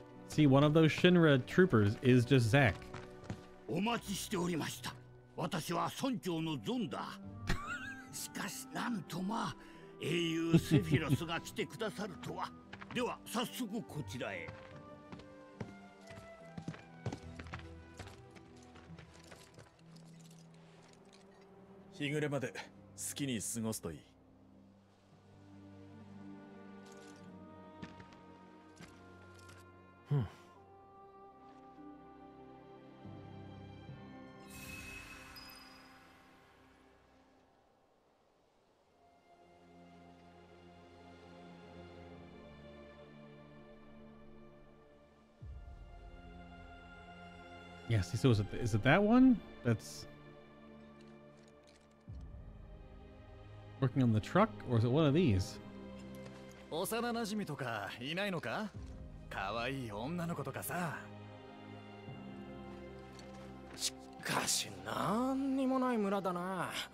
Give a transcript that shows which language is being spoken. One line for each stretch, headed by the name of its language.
English: See, one of those Shinra troopers is just Zack.
Japanese: お待ちしておりました。私は村長のゾンだ。しかし、なんとまあ、英雄セフィロスが来てくださるとは。では、早速こちらへ。日暮れまで好きに過ごすといい。ふん。
English: Yes, so is it that one that's working on the truck, or is it one of these?
Japanese: 幼馴染とかいないのか？可愛い女の子とかさ。しかし何にもない村だな。